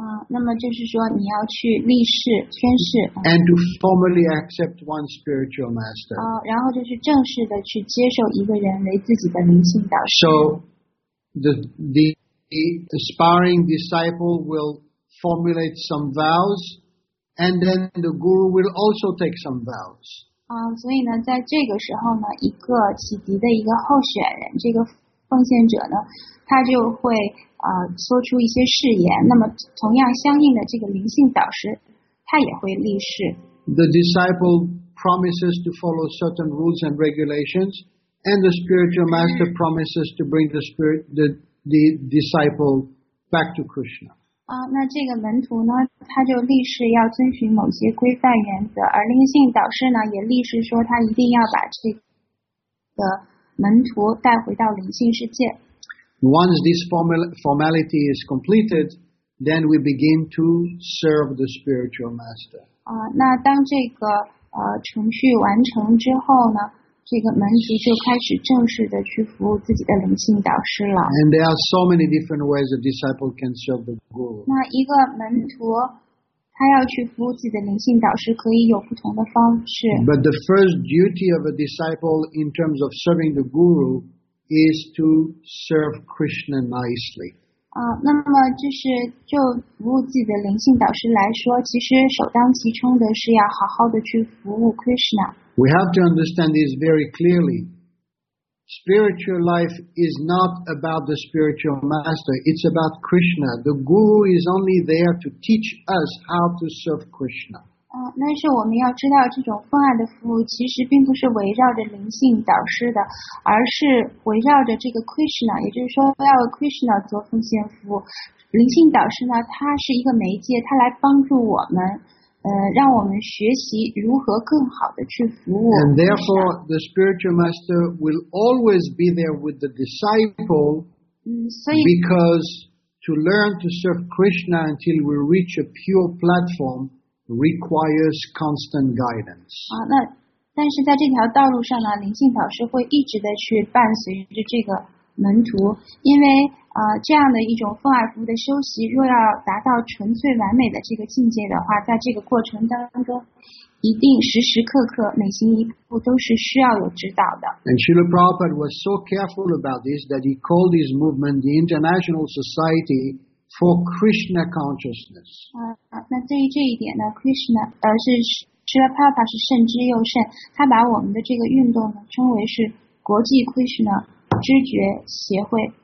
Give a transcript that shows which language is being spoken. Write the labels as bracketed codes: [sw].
[zh] 那么就是说你要去立誓、宣誓。 [en] And to formally accept one spiritual master. [zh] 然后就是正式的去接受一个人为自己的灵性导师。 [en] So the aspiring disciple will formulate some vows, and then the guru will also take some vows. [zh] 所以呢，在这个时候呢，一个启迪的一个候选人，这个奉献者呢，他就会。说出一些誓言，那么同样相应的这个灵性导师他也会立誓。 [en] The disciple promises to follow certain rules and regulations, and the spiritual master promises to bring the disciple back to Krishna. [zh] 那这个门徒呢，他就立誓要遵循某些规范原则，而灵性导师呢也立誓说他一定要把这个门徒带回到灵性世界。 [en] Once this formality is completed, then we begin to serve the spiritual master. [zh] 那当这个程序完成之后呢，这个门徒就开始正式的去服务自己的灵性导师了。 [en] And there are so many different ways a disciple can serve the guru. [zh] 那一个门徒他要去服务自己的灵性导师，可以有不同的方式。 [en] But the first duty of a disciple in terms of serving the guru. Is to serve Krishna nicely. [zh] 那么就是就服务自己的灵性导师来说，其实首当其冲的是要好好的去服务 Krishna。 [en] We have to understand this very clearly. Spiritual life is not about the spiritual master. It's about Krishna. The guru is only there to teach us how to serve Krishna. [zh] 但是我们要知道，这种分爱的服务其实并不是围绕着灵性导师的，而是围绕着这个 Krishna， 也就是说要为 Krishna 做奉献服务。灵性导师呢，他是一个媒介，他来帮助我们，让我们学习如何更好的去服务。 [en] And therefore, the spiritual master will always be there with the disciple, because to learn to serve Krishna until we reach a pure platform. Requires constant guidance. [zh] 那但是在这条道路上呢，灵性导师会一直的去伴随着这个门徒，因为这样的一种奉爱服务的修习，若要达到纯粹完美的这个境界的话，在这个过程当中，一定时时刻刻每行一步都是需要有指导的。 [en] And Srila Prabhupada was so careful about this that he called his movement the International Society. For Krishna consciousness. [zh] 那对于这一点呢 ，Krishna， 是 Srila Prabhupada 是慎之又慎，他把我们的这个运动呢称为是国际 Krishna 知觉协会。